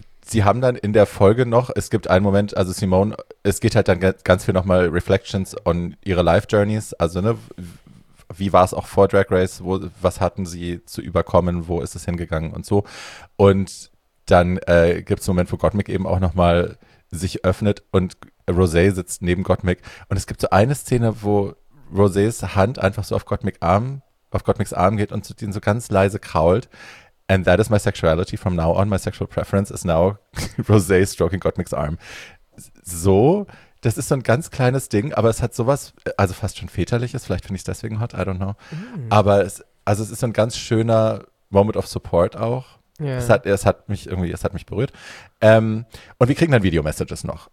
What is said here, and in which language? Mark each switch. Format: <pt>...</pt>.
<de>sie haben dann in der Folge noch, es gibt einen Moment, also Simone, es geht halt dann ganz viel nochmal</de> <en>Reflections on</en> <de>ihre Life Journeys, also ne, wie war es auch vor Drag Race, wo, was hatten sie zu überkommen, wo ist es hingegangen und so. Und dann gibt es einen Moment, wo Gottmik eben auch nochmal sich öffnet und Rosé sitzt neben Gottmik. Und es gibt so eine Szene, wo Rosés Hand einfach so auf Gottmiks Arm, geht und zu denen so ganz leise krault.</de> <en>And that is my sexuality from now on. My sexual preference is now Rosé stroking Gottmiks Arm.</en> <de>So, das ist so ein ganz kleines Ding, aber es hat sowas, also fast schon väterliches, vielleicht finde ich es deswegen hot,</de> <en>I don't know.</en> <de>Mm. Aber es, also es ist so ein ganz schöner Moment of Support auch. Yeah. Es hat mich berührt. Und wir kriegen dann Video-Messages noch.</de>